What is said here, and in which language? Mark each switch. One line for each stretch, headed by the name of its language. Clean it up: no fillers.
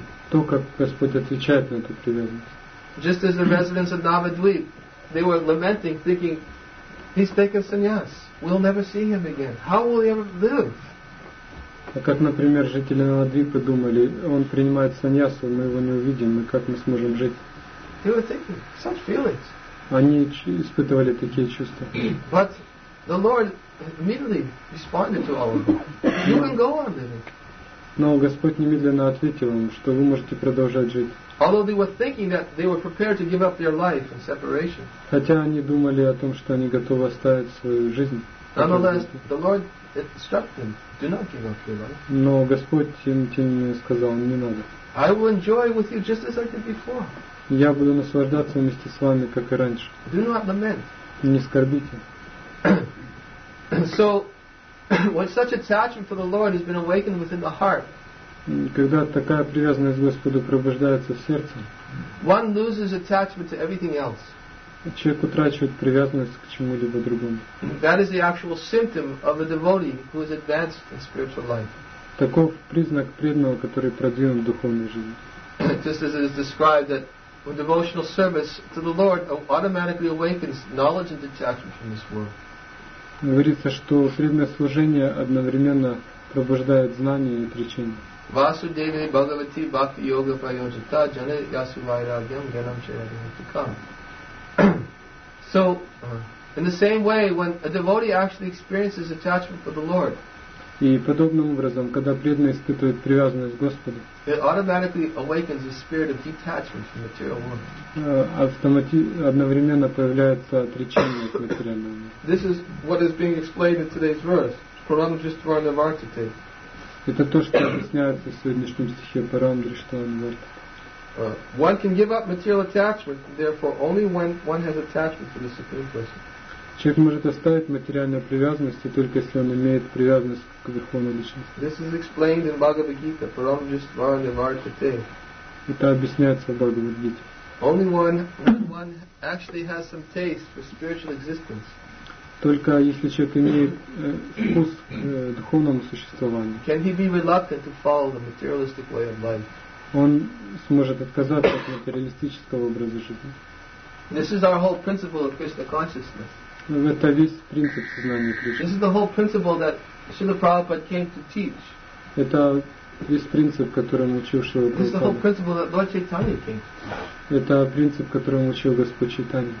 Russian: То, как Господь отвечает на эту привязанность.
English: Just as the residents of Navadvip, they were lamenting, thinking, he's taken sannyas. We'll never see him again. How will he ever live?
Russian: А как, например, жители Навадвипы думали, он принимает саньясу, мы его не увидим, и как мы сможем жить?
English: They were thinking, such feelings.
Russian: Они испытывали такие чувства.
English: But the Lord immediately responded to all of them. You can go on living.
Russian: Но Господь немедленно ответил им, что вы можете продолжать жить. Хотя они думали о том, что они готовы оставить свою жизнь. Но Господь им тем не менее сказал, не надо.
English: I will enjoy with you just as I did before.
Russian: Я буду наслаждаться вместе с вами, как и раньше.
English: Do not lament.
Russian: Не скорбите.
English: So, when such attachment for the Lord has been awakened within the heart,
Russian: когда такая привязанность к Господу пробуждается в сердце,
English: one loses attachment to everything else.
Russian: Человек утрачивает привязанность к чему-либо другому.
English: That is the actual symptom of a devotee who is advanced in spiritual life.
Russian: Таков признак преданного, который продвинут в духовной жизни.
English: Just as it is described that a devotional service to the Lord automatically awakens knowledge and detachment from this world.
Russian: Говорится, что преданное служение одновременно пробуждает знание и отречение.
Sanskrit: Vasudevi Bhagavati Bhakti Yoga Prayojita Jane Yasuvairagyam Ganam Chayadhyam.
English: So, in the same way, when a devotee actually experiences attachment for the Lord,
Russian: и подобным образом, когда преданный испытывает привязанность к Господу,
English: it automatically awakens a spirit of detachment from material world.
Russian: Одновременно появляется отречение от материального мира.
English: This is what is being explained in today's verse, Paramdrishtvarnavartite.
Russian: Это то, что объясняется в сегодняшнем стихе Paramdrishtvarnavartite.
English: One can give up material attachment, therefore, only when one has attachment to the Supreme Person.
Russian: Человек может оставить материальную привязанность, только если он имеет привязанность к Верховной Личности.
English: This is explained in Bhagavad Gita, Paramdrishtvarnavartite.
Russian: Это объясняется в Бхагавад Гите.
English: Only one, one actually has some taste for spiritual existence.
Russian: Только если человек имеет вкус к духовному существованию.
English: Can he be reluctant to follow the materialistic way of life?
Russian: Он сможет отказаться от материалистического образа жизни.
English: This is our whole principle of Krishna consciousness.
Russian: Это весь принцип сознания Кришны.
English: This is the whole principle that Srila Prabhupada came to teach.
Russian: Это весь принцип, которым учил Шрила Прабхупада.
English: This is the whole principle that Lord Chaitanya came.
Russian: Это принцип, которым учил Господь Чайтанья.